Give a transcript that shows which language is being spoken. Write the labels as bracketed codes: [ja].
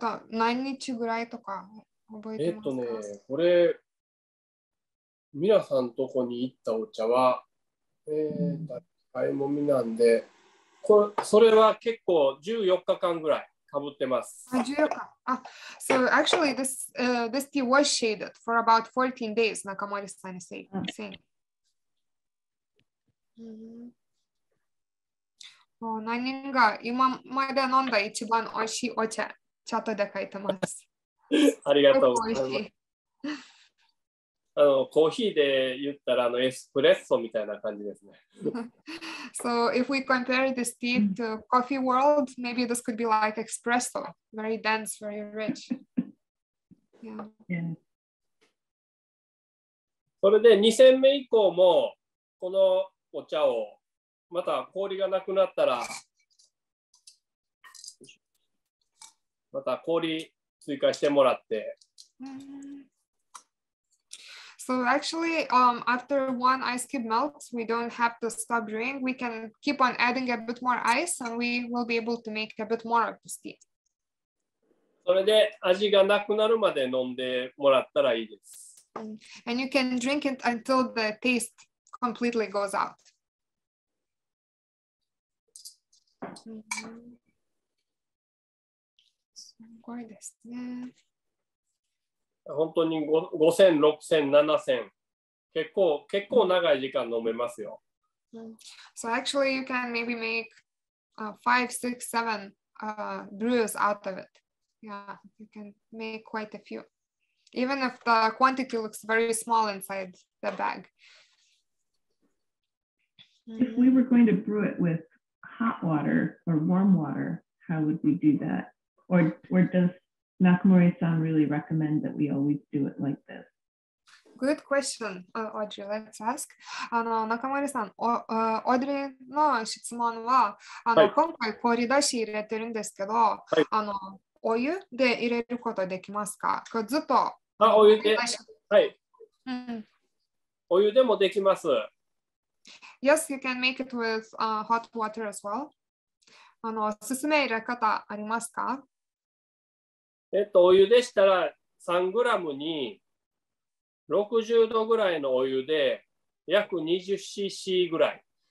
[ja] 何日ぐらいとか。ね、これ皆さんとこに行ったお茶は、買いもみなんで、これそれは結構14日間ぐらいかぶってます。 [en] So actually, this tea was shaded for about 14 days, Nakamori-san is saying. [ja] もう何が今まで飲んだ一番おいしいお茶、チャットで書いてます。ありがとうございます。あのコーヒーで言ったらあのエスプレッソみたいな感じですね。 [en] So if we compare this tea to coffee world, maybe this could be like espresso, very dense, very rich. [ja] それで2戦目以降もこのお茶をまた氷がなくなったらまた氷追加してもらって。 [en] So actually, after one ice cube melts, we don't have to stop brewing. We can keep on adding a bit more ice and we will be able to make a bit more of this tea. [ja] それで味がなくなるまで飲んでもらったらいいです。 [en] And you can drink it until the taste completely goes out. [ja] すごいですね。本当に5千、6千、7千、結構長い時間飲めますよ。 [en] So actually you can maybe make 5, 6, 7 brews out of it. Yeah, you can make quite a few. Even if the quantity looks very small inside the bag. If we were going to brew it with hot water or warm water, how would we do that? Or does Nakamori-san really recommend that we always do it like this? Good question, Audrey. Let's ask. [ja] Nakamori-san, Audrey の質問は、今回氷出し入れてるんですけど、お湯で入れることできますか？ずっと。あ、お湯で。はい。お湯でもできます。 [en] Yes, you can make it with hot water as well. [ja] おすすめ入れ方ありますか？お湯でしたら3グラムに60度ぐらいのお湯で約 20cc ぐらい。